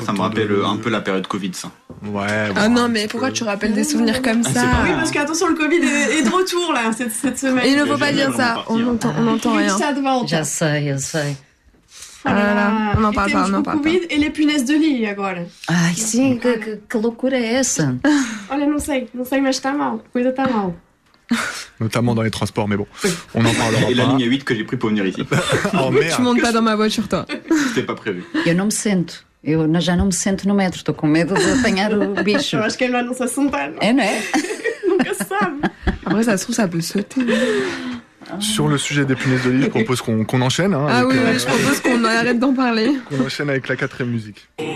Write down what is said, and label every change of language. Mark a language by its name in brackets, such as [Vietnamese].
[French] Ça me rappelle un peu la période Covid, ça. Ouais. Bon, ah non, mais pourquoi tu rappelles des souvenirs comme ça? Oui, parce qu'attention, le Covid est de retour, là, cette semaine. Il ne faut pas dire ça. On entend rien. Je sais. Ah, non, pas, non, pas. Covid et les punaises de lit, agora. [Portuguese] Ai, sim, que loucura é essa? Olha, não sei, mas está mal. Cuida, está mal. [French] Notamment dans les transports, mais bon, on en parlera. Et pas. La ligne 8 que j'ai pris pour venir ici. Oh, merde. Tu montes pas dans ma voiture, toi. C'était pas prévu. [Portuguese] Eu não me sinto. Eu já não me sinto no metro. Estou com medo de apanhar o bicho. Eu acho que ele vai não se assentar. É, não é? Nunca sabe. [French] Après, ça se trouve, ça peut sauter. Sur le sujet des punaises de lit, je propose qu'on enchaîne. Hein, ah oui, oui, je propose qu'on arrête d'en parler. Qu'on enchaîne avec la quatrième musique.